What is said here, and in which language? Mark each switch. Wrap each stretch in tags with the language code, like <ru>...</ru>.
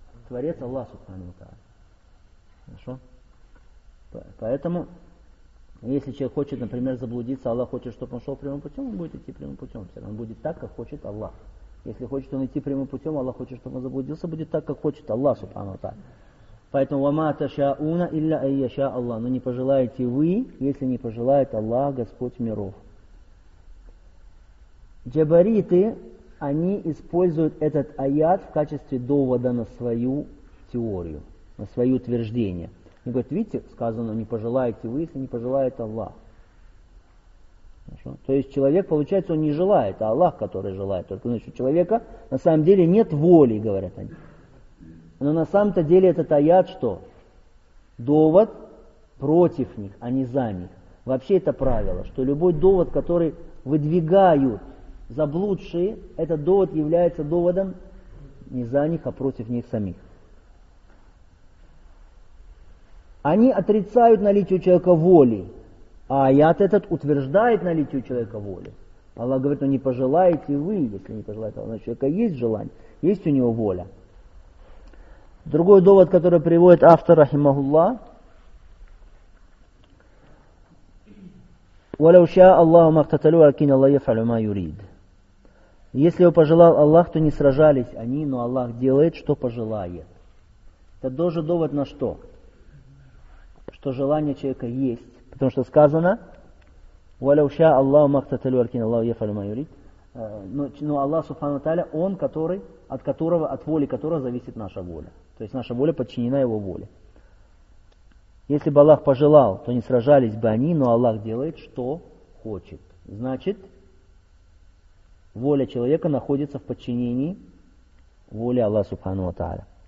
<ru>Творец Аллах Субхану Тааля. Хорошо? Поэтому, если человек хочет, например, заблудиться, Аллах хочет, чтобы он шел прямым путем, он будет идти прямым путем. Он будет так, как хочет Аллах. Если хочет он идти прямым путем, Аллах хочет, чтобы он заблудился, будет так, как хочет Аллах Субхану Тааля. Поэтому</ru> <ar>وَمَا تَشَاءُونَ إِلَّا أَيَّشَاءَ اللَّهُ.</ar> <ru>Но не пожелаете вы, если не пожелает Аллах, Господь миров. Джабариты, они используют этот аят в качестве довода на свою теорию, на свое утверждение. Они говорят, видите, сказано, не пожелаете вы, если не пожелает Аллах. Хорошо? То есть человек, получается, он не желает, а Аллах, который желает. Только значит, у человека на самом деле нет воли, говорят они. Но на самом-то деле этот аят что? Довод против них, а не за них. Вообще это правило, что любой довод, который выдвигают заблудшие, этот довод является доводом не за них, а против них самих. Они отрицают наличие у человека воли, а аят этот утверждает наличие у человека воли. Аллах говорит, ну не пожелаете вы, если не пожелаете Аллах. Значит, у человека есть желание, есть у него воля. Другой довод, который приводит автор, рахимахуллах,</ru> <ar>وَلَوْ شَاءَ اللَّهُ مَا اقْتَتَلُوا وَلَكِنَّ اللَّهَ يَفْعَلُ مَا يُرِيدُ.</ar> <ru>Если бы пожелал Аллах, то не сражались они, но Аллах делает, что пожелает. Это тоже довод на что? Что желание человека есть. Потому что сказано,</ru> <ar>وَلَوْ شَاءَ اللَّهُ مَا اقْتَتَلُوا وَلَكِنَّ اللَّهَ يَفْعَلُ مَا يُرِيدُ.</ar> <ru>Но Аллах, Субхану Тааля, Он, который, от которого, от воли которого зависит наша воля. То есть наша воля подчинена Его воле. Если бы Аллах пожелал, то не сражались бы они, но Аллах делает, что хочет. Значит, воля человека находится в подчинении воли Аллаха Субхану ва Тааля.</ru>